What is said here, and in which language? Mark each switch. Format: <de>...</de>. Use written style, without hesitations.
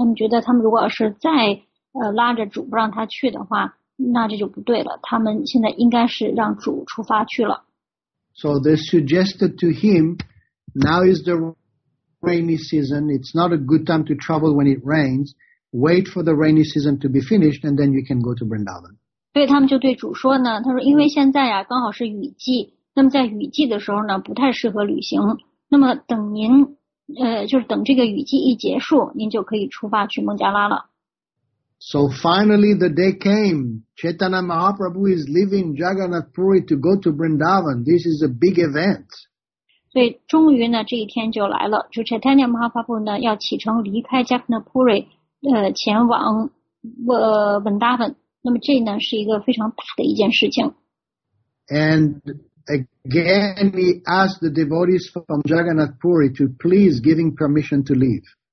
<zh>他们觉得他们如果要是再拉着主不让他去的话。那这就不对了，他们现在应该是让主出发去了。</zh> <en>So they suggested to him, now is the rainy season, it's not a good time to travel when it rains, wait for the rainy season to be finished, and then you can go to Vrindavan.</en> <zh>对，他们就对主说呢，他说因为现在啊，刚好是雨季，那么在雨季的时候呢，不太适合旅行，那么等您，就是等这个雨季一结束，您就可以出发去孟加拉了。</zh> <en>So finally the day came. Chaitanya Mahaprabhu is leaving Jagannath Puri to go to Vrindavan. This is a big event.</en> <zh>所以终于呢这一天就来了。就 Chaitanya Mahaprabhu 呢要启程离开 Jagannath Puri, 前往Vrindavan。那么这呢是一个非常大的一件事情。</zh> <en>And again he asked the devotees from Jagannath Puri to please give him permission to leave.</en>